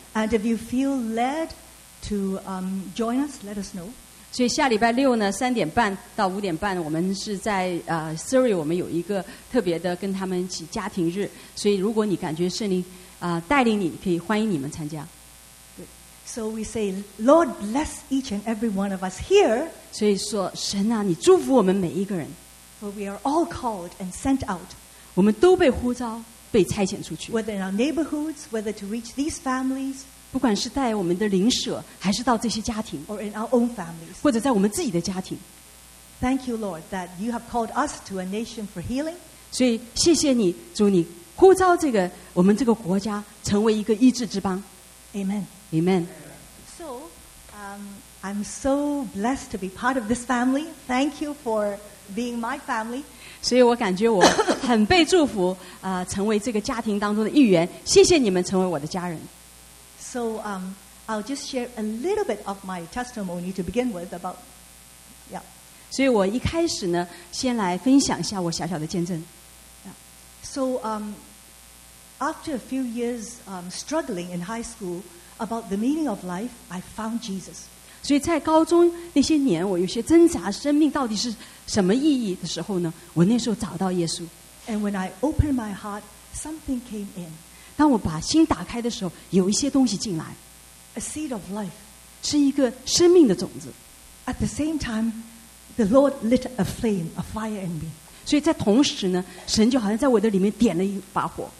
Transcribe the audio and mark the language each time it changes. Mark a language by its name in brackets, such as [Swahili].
[English] And if you feel led to join us, let us know. [Chinese] 所以下礼拜六呢，3:30到5:30，我们是在Surrey， 我们有一个特别的跟他们一起家庭日。所以如果你感觉圣灵带领你，可以欢迎你们参加。 [English] Good. So we say, Lord, bless each and every one of us here. [Chinese] 所以说，神啊，你祝福我们每一个人。 [English] For we are all called and sent out. [Chinese] 我们都被呼召，被差遣出去。 [English] Whether in our neighborhoods, whether to reach these families. [Chinese] 不管是带我们的邻舍，还是到这些家庭 [English] or in our own families. [Chinese] 或者在我们自己的家庭。 [English] Thank you, Lord, that you have called us to a nation for healing. [Chinese] 所以谢谢你，主，你呼召这个我们这个国家成为一个医治之邦。 Amen. Amen. [English] So, I'm so blessed to be part of this family. Thank you for being my family. [Chinese] 所以我感觉我很被祝福成为这个家庭当中的一员。谢谢你们成为我的家人。 [English] So I'll just share a little bit of my testimony to begin with about, yeah. [Chinese] 所以我一开始呢，先来分享一下我小小的见证。 Yeah. [English] So after a few years struggling in high school about the meaning of life, I found Jesus. [Chinese] 所以在高中那些年，我有些挣扎，生命到底是什么意义的时候呢？我那时候找到耶稣。 [English] And when I opened my heart, something came in. [Chinese] 当我把心打开的时候，有一些东西进来。 [English] A seed of life. [Chinese] 是一个生命的种子。 [English] At the same time, the Lord lit a flame, a fire in me. [Chinese] 所以在同时呢, 神就好像在我的里面点了一把火。